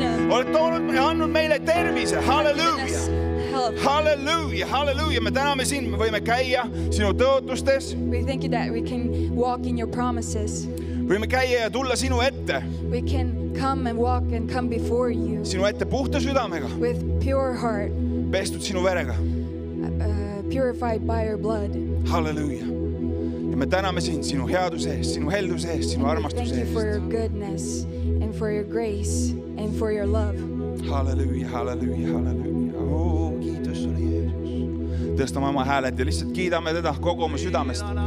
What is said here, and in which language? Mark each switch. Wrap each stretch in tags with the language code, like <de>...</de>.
<et>Oled toonud ja annud meile tervise. Halleluja. Halleluja, halleluja. Me täname siin, me võime käia sinu tõotustes.</et> <en>We thank you that we can walk in your promises.</en> <et>Võime käia ja tulla sinu ette.</et> <en>We can come and walk and come before you.</en> <et>Sinu ette puhta südamega.</et> <en>With pure heart.</en> <et>Pestud sinu verega.</et> <en>Purified by your blood.</en> <et>Halleluja. Ja me täname siin sinu headuse eest, sinu helduse eest, sinu armastuse eest.</et> <en>Thank you for your goodness and for your grace and for your love.</en> <et>Halleluja, halleluja, halleluja. Oh, kiitus sulle, Jeesus. Tõstame oma hääled ja lihtsalt kiidame teda kogu oma südamest.</et>